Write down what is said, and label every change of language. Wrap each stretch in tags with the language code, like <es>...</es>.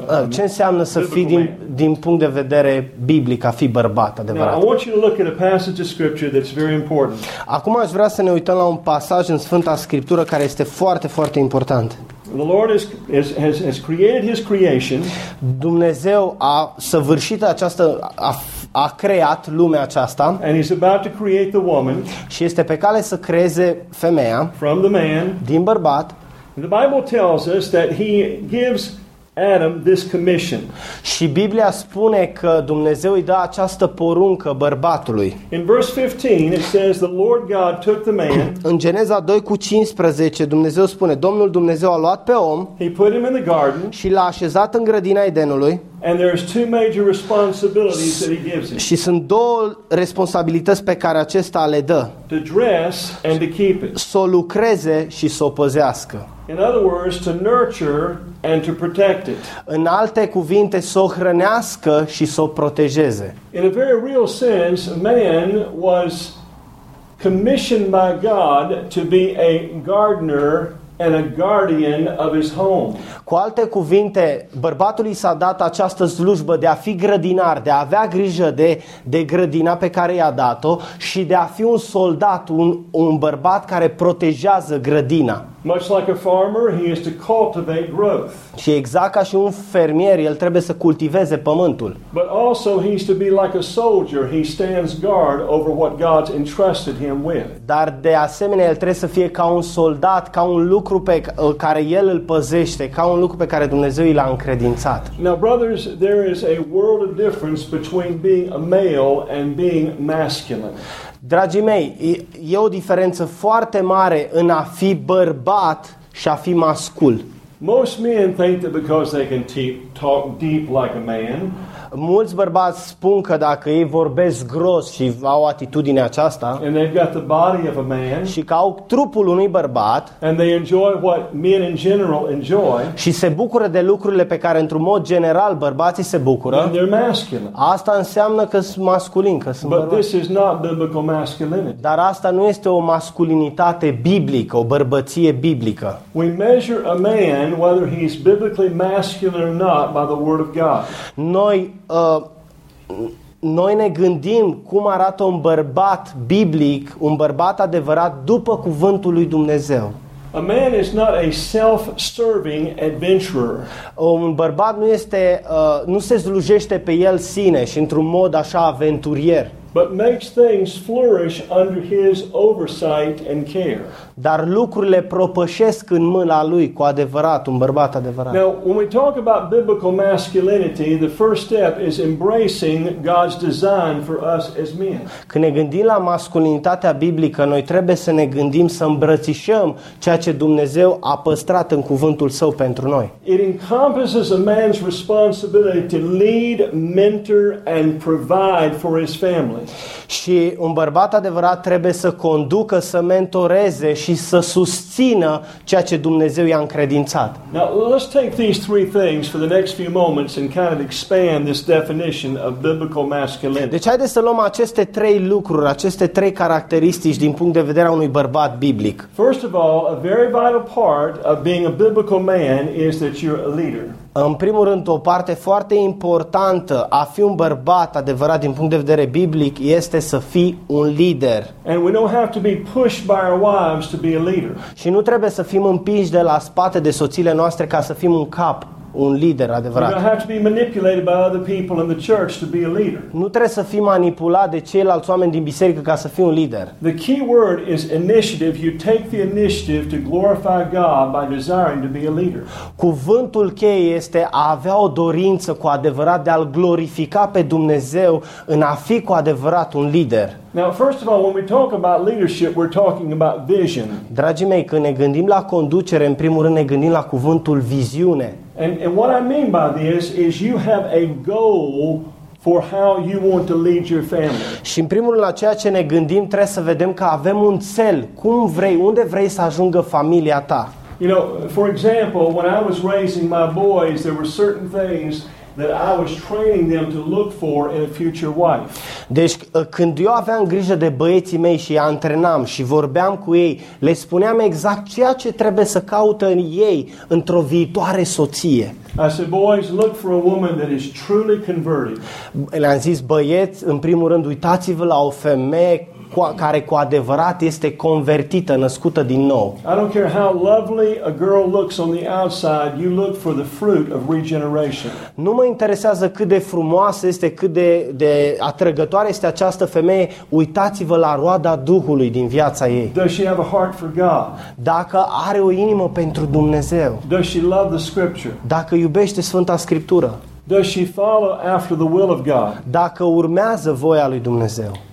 <ro>Ce înseamnă să fii din punct de vedere biblic, a fi bărbat adevărat.</ro> <en>Now, I want you to look at a passage of scripture that's very important.</en> <ro>Acum aș vrea să ne uităm la un pasaj în Sfânta Scriptură care este foarte, foarte important.</ro> <en>The Lord has created his creation.</en> <ro>Dumnezeu a săvârșit această a creat lumea aceasta.</ro> <en>And he's about to create the woman.</en> <ro>Și este pe cale să creeze femeia.</ro> <en>From the man.</en> <ro>Din bărbat.</ro> <en>The Bible tells us that he gives Adam this commission.</en> <ro>Și Biblia spune că Dumnezeu îi dă această poruncă bărbatului.</ro> <en>In verse 15 it says the Lord God took the man.</en> <ro>În Geneza 2:15 Dumnezeu spune: Domnul Dumnezeu a luat pe om.</ro> <en>He put him in the garden.</en> <ro>Și l-a așezat în grădina Edenului.</ro> <en>And there is two major responsibilities that he gives him.</en> <ro>Și sunt două responsabilități pe care acesta le dă.</ro> <en>To dress and to keep it.</en> <ro>Să lucreze și să o păzească.</ro> <en>In other words, to nurture and to protect it.</en> <ro>În alte cuvinte, să o hrănească și să o protejeze.</ro> <en>In a very real sense, man was commissioned by God to be a gardener and a guardian of his home.</en> <ro>Cu alte cuvinte, bărbatului s-a dat această slujbă de a fi grădinar, de a avea grijă de grădina pe care i-a dat-o și de a fi un soldat, un bărbat care protejează grădina.</ro> <en>Much like a farmer, he is to cultivate growth.</en> <ro>Și exact ca și un fermier, el trebuie să cultiveze pământul.</ro> <en>But also he is to be like a soldier, he stands guard over what God's entrusted him with.</en> <ro>Dar de asemenea, el trebuie să fie ca un soldat, ca un lucru pe care el îl păzește, ca un lucru pe care Dumnezeu i l-a încredințat.</ro> <en>Now brothers, there is a world of difference between being a male and being masculine.</en> <ro>Dragii mei, e o diferență foarte mare în a fi bărbat și a fi mascul.</ro> <en>Most men think that because they can talk deep like a man.</en> <ro>Mulți bărbați spun că dacă ei vorbesc gros și au atitudinea aceasta</ro> <en>and they've got the body of a man,</en> <ro>și că au trupul unui bărbat</ro> <en>and they enjoy what men in general enjoy,</en> <ro>și se bucură de lucrurile pe care într-un mod general bărbații se bucură,</ro> <en>and they're masculine.</en> <ro>Asta înseamnă că sunt masculin, că sunt bărbat.</ro> <en>But this is not biblical masculinity.</en> <ro>Dar asta nu este o masculinitate biblică, o bărbăție biblică.</ro> <en>We measure a man whether he's biblically masculine or not by the word of God.</en> <ro>Noi ne gândim cum arată un bărbat biblic, un bărbat adevărat după cuvântul lui Dumnezeu.</ro> <en>A man is not a self-serving adventurer.</en> <ro>Un bărbat nu este nu se slujește pe el sine și într-un mod așa aventurier.</ro> <en>But makes things flourish under his oversight and care.</en> <ro>Dar lucrurile propășesc în mâna lui cu adevărat, un bărbat adevărat.</ro> <en>Now, when we talk about biblical masculinity, the first step is embracing God's design for us as men.</en> <ro>Când ne gândim la masculinitatea biblică, noi trebuie să ne gândim să îmbrățișăm ceea ce Dumnezeu a păstrat în cuvântul său pentru noi.</ro> <en>It encompasses a man's responsibility to lead, mentor and provide for his family.</en> <ro>Și un bărbat adevărat trebuie să conducă, să mentoreze și să susțină ceea ce Dumnezeu i-a încredințat.</ro> <en>Now, let's take these three things for the next few moments and kind of expand this definition of biblical masculinity.</en> <ro>Deci haideți să luăm aceste trei lucruri, aceste trei caracteristici din punct de vedere a unui bărbat biblic.</ro> <en>First of all, a very vital part of being a biblical man is that you're a leader.</en> <ro>În primul rând, o parte foarte importantă a fi un bărbat adevărat din punct de vedere biblic este să fii un lider.</ro> <en>And we don't have to be pushed by our wives to be a leader.</en> <ro>Și nu trebuie să fim împinși de la spate de soțiile noastre ca să fim un cap, un lider adevărat.</ro> <en>You don't have to be manipulated by other people in the church to be a leader.</en> <ro>Nu trebuie să fii manipulat de ceilalți oameni din biserică ca să fii un lider.</ro> <en>The key word is initiative. You take the initiative to glorify God by desiring to be a leader.</en> <ro>Cuvântul cheie este a avea o dorință cu adevărat de a-L glorifica pe Dumnezeu în a fi cu adevărat un lider.</ro> <en>Now, first of all, when we talk about leadership, we're talking about vision.</en> <ro>Dragii mei, când ne gândim la conducere, în primul rând ne gândim la cuvântul viziune.</ro> <en>And what I mean by this is you have a goal for how you want to lead your family.</en> <ro>Și în primul rând, la ceea ce ne gândim, trebuie să vedem că avem un țel. Cum vrei, unde vrei să ajungă familia ta?</ro> <en>You know, for example, when I was raising my boys, there were certain things that I was training them to look for in a future wife.</en> <ro>Deci când eu aveam grijă de băieții mei și îi antrenam și vorbeam cu ei, le spuneam exact ceea ce trebuie să caută în ei într-o viitoare soție.</ro> <en>I said, boys, look for a woman that is truly converted.</en> <ro>Le-am zis, băieți, în primul rând, uitați-vă la o femeie care cu adevărat este convertită, născută din nou.</ro> <en>I don't care how lovely a girl looks on the outside, you look for the fruit of regeneration.</en> <ro>Nu mă interesează cât de frumoasă este, cât de atrăgătoare este această femeie, uitați-vă la roada Duhului din viața ei.</ro> <en>Does she have a heart for God?</en> <ro>Dacă are o inimă pentru Dumnezeu.</ro> <en>Does she love the scripture?</en> <ro>Dacă iubește Sfânta Scriptură.</ro> <en>Does she follow after the will of God?</en> <ro>Dacă urmează voia lui Dumnezeu.</ro>